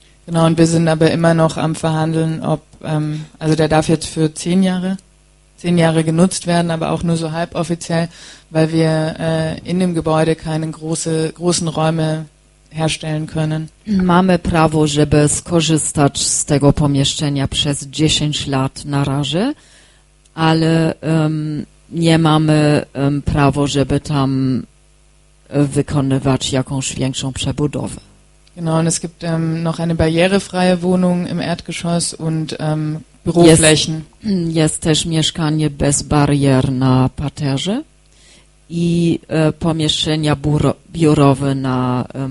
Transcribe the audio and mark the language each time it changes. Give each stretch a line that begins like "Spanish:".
German: Genau, und wir sind aber immer noch am Verhandeln, ob, also der darf jetzt für 10 Jahre genutzt werden, aber auch nur so halboffiziell, weil wir in dem Gebäude keine großen Räume herstellen können.
Polish: Mamy prawo, żeby skorzystać z tego pomieszczenia przez 10 lat na razie, ale nie mamy prawo, żeby tam wykonywać jakąś większą przebudowę.
German: Genau, und es gibt noch eine barrierefreie Wohnung im Erdgeschoss und Büroflächen.
Polish: Jest też mieszkanie bez barier na parterze i pomieszczenia biurowe na